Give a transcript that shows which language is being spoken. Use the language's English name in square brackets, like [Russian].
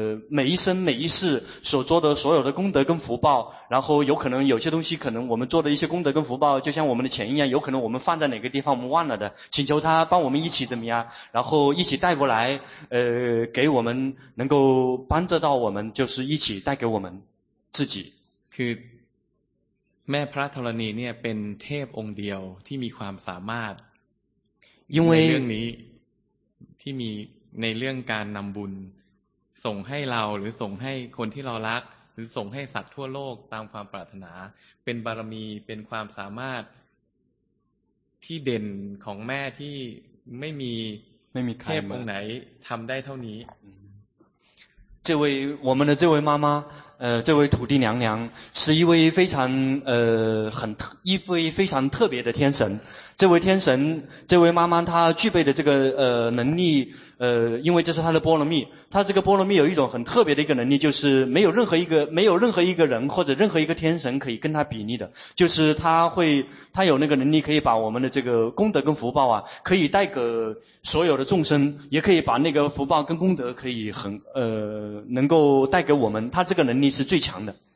[Chinese] 每一生每一世所做的所有的功德跟福报，然后有可能有些东西可能我们做的一些功德跟福报就像我们的钱一样，有可能我们放在哪个地方我们忘了的，请求他帮我们一起怎么样，然后一起带过来给我们，能够帮助到我们，就是一起带给我们自己。 [Thai] คือแม่พระธรณีเนี่ยเป็นเทพองค์เดียวที่มีความสามารถในเรื่องนี้ที่มีในเรื่องการนำบุญส่งให้เราหรือส่งให้คนที่เรารักหรือส่งให้สัตว์ทั่วโลกตามความปรารถนาเป็นบารมีเป็นความสามารถที่เด่นของแม่ที่ ไม่มี เทพองค์ไหนทำได้เท่านี้ [Chinese] 这位我们的这位妈妈这位土地娘娘是一位非常很一位非常特别的天神这位天神，这位妈妈她具备的这个能力，因为这是她的波罗蜜，她这个波罗蜜有一种很特别的一个能力，就是没有任何一个人或者任何一个天神可以跟她比拟的，就是她有那个能力，可以把我们的这个功德跟福报啊，可以带给所有的众生，也可以把那个福报跟功德可以很能够带给我们，她这个能力是最强的。